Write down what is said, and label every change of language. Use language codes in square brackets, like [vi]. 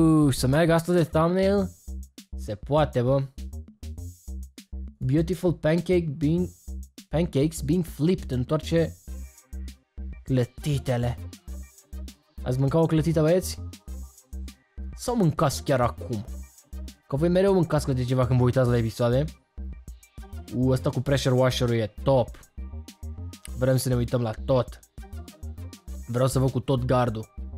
[ro] Să meargă asta de thumbnail? Se poate, bă. [en] Beautiful pancake being pancakes being flipped. [ro] Întoarce clătitele. Ați mâncat o clătită, băieți? Sau mâncați chiar acum? Că voi mereu mâncați câte ceva când vă uitați la episoade. Ăsta cu pressure washer-ul e top. Vrem să ne uităm la tot. Vreau să văd cu tot gardul.